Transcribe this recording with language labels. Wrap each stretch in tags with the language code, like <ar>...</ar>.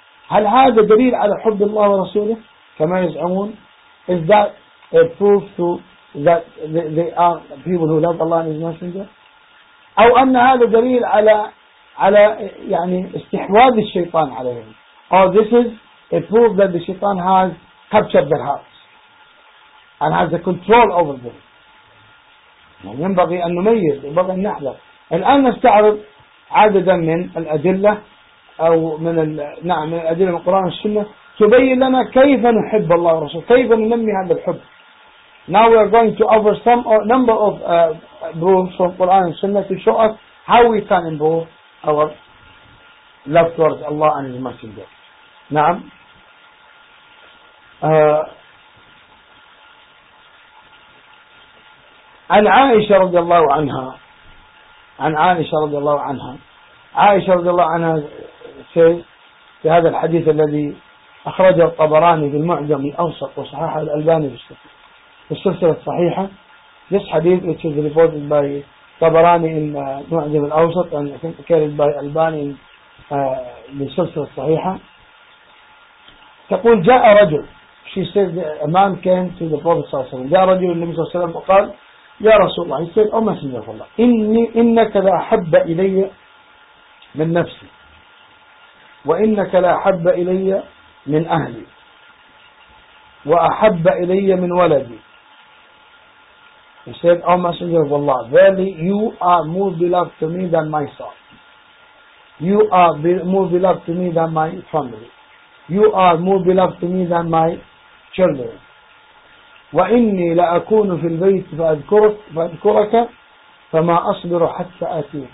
<ar>هل هذا دليل على حب الله ورسوله كما يزعمون؟</ar> <en>Is that a proof to that they are people who love Allah and His Messenger,</en> <ar>أو أن هذا دليل على يعني استحواذ الشيطان عليهم,</ar> <en>or this is a proof that the shaitan has captured their hearts and has the control over them.</en> <ar>ينبغي أن نميز, ينبغي أن نحذر. الآن نستعرض عددا من الأدلة أو من نعم من الأدلة من القرآن والسنة تبين لنا كيف نحب الله ورسوله, كيف ننمي هذا الحب.</ar> <en>Now we are going to offer some or number of proofs from Quran and Sunnah to show us how we can improve our love towards Allah and His Messenger.</en> <ar>نعم. عن عائشة رضي الله عنها. عن عائشة رضي الله عنها. عائشة رضي الله عنها</ar> <en>says</en> <ar>في هذا الحديث الذي أخرجه الطبراني في المعجم الأوسط وصححه الألباني في السنة. السلسلة الصحيحة.</ar> <en>This hadith which is reported by Tabarani in Mu'jam al-Awsat and I think carried by Albani in the السلسلة الصحيحة.</en> <ar>تقول جاء رجل.</ar> <en>She said a man came to the Prophet صلى الله عليه وسلم.</en> <ar>جاء رجل النبي صلى الله عليه وسلم وقال يا رسول الله.</ar> <en>He said</en> <ar>أو مسجد الله إنك لا أحب إلي من نفسي وإنك لا أحب إلي من أهلي وأحب إلي من ولدي.</ar> <en>He said, O Messenger of Allah, verily you are more beloved to me than my son. You are more beloved to me than my family. You are more beloved to me than my children.</en> <ar>وإني لأكون في البيت فأذكرك فما أصبر حتى أتيك.</ar>